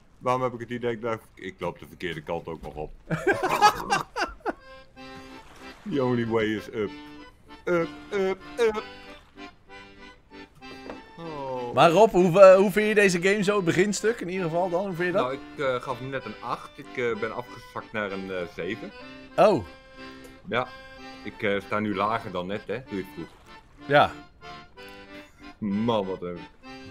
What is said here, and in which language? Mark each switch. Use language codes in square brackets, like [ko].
[nl] Waarom heb ik het idee dat ik loop de verkeerde kant ook nog op? [en] The only way is up. Up, up, up. [nl] Maar Rob, hoe vind je deze game zo, het beginstuk in ieder geval dan? Hoe vind je dat? Nou, ik gaf net een 8. Ik ben afgezakt naar een 7. Oh. Ja, ik sta nu lager dan net, hè. Doe je het goed. Ja. Man, wat heb ik.